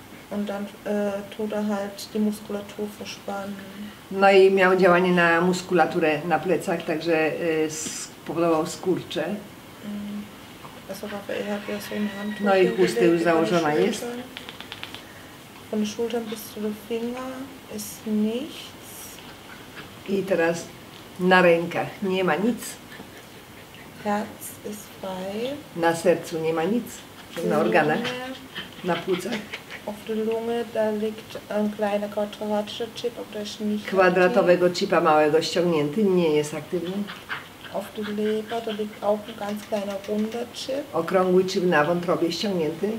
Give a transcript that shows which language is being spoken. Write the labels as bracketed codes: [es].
[de] Und dann tut er halt die Muskulatur verspannen. [pl] No i miał działanie na muskulaturę na plecach, także spowodował skurcze. [de] Also Rafael hat ja so eine Hand. [pl] No i chusty już założona jest. [de] Von den Schultern bis zu den Fingern ist nicht. [pl] I teraz na rękach nie ma nic. [de] Herz ist frei. [pl] Na sercu nie ma nic. Na organach, na płucach. [de] auf der Lunge, da liegt ein kleiner quadratischer Chip, ob der ist nicht. [pl] Kwadratowego chipa małego ściągnięty, nie jest aktywny. [de] Auf der Leber, da liegt auch ein ganz kleiner runder Chip. [pl] Okrągły chip na wątrobie ściągnięty.